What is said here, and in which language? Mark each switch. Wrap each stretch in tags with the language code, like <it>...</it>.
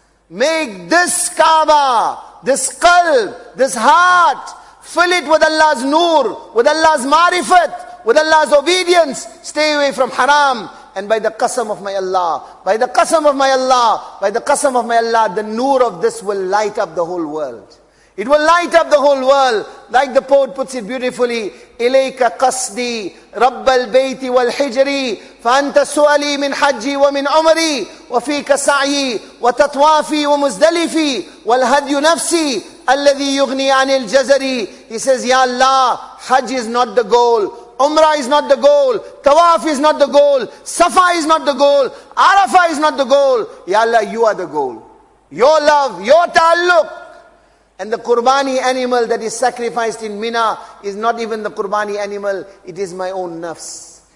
<en>Make this Kaaba, this qalb, this heart, fill it with Allah's noor, with Allah's marifat, with Allah's obedience. Stay away from haram. And by the qasam of my Allah, by the qasam of my Allah, by the qasam of my Allah, the noor of this will light up the whole world. It will light up the whole world. Like the poet puts it beautifully,</en> <ar>إِلَيْكَ قَصْدِي رَبَّ الْبَيْتِ وَالْحِجْرِي فَأَنْتَ سُؤَلِي مِنْ حَجِّي وَمِنْ عُمَرِي وَفِيكَ سَعْيِي وَتَطْوَافِي وَمُزْدَلِفِي وَالْهَدْيُ نَفْسِي الَّذِي يُغْنِي عَنِ الْجَزَرِي.</ar> <en>He says, Ya Allah, Hajj is not the goal. Umrah is not the goal. Tawaf is not the goal. Safa is not the goal. Arafah is not the goal. Ya Allah, you are the goal. Your love, your ta'alluq. And the qurbani animal that is sacrificed in Mina is not even the qurbani animal, it is my own nafs.</en>